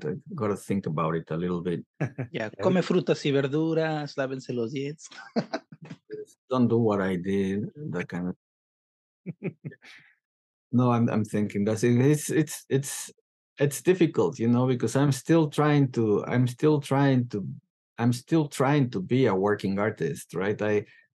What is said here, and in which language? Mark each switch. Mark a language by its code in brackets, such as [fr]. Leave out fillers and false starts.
[en] I got to think about it a little bit. [es] Yeah, come frutas y verduras, lávense los dientes. [en] Don't do what I did, that kind of. No, I'm thinking that it's difficult, you know, because I'm still trying to be a working artist, right?